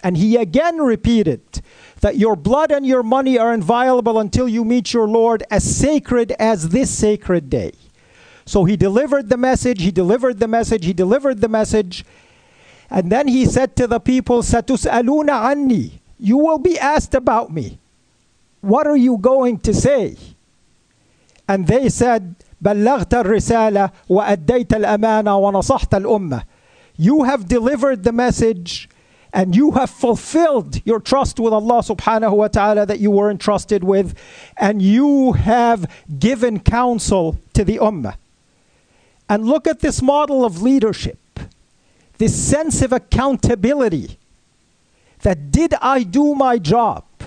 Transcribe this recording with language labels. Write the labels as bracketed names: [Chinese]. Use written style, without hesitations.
[English] And he again repeated that your blood and your money are inviolable until you meet your Lord, as sacred as this sacred day. So he delivered the message, he delivered the message, he delivered the message. And then he said to the people, [Arabic] Satus'aluna anni, [English] you will be asked about me. What are you going to say? And they said, [Arabic] بلغت الرسالة وأديت الأمانة ونصحت الأمة. [English] You have delivered the message and you have fulfilled your trust with Allah subhanahu wa ta'ala that you were entrusted with, and you have given counsel to the Ummah. And look at this model of leadership, this sense of accountability, that did I do my job?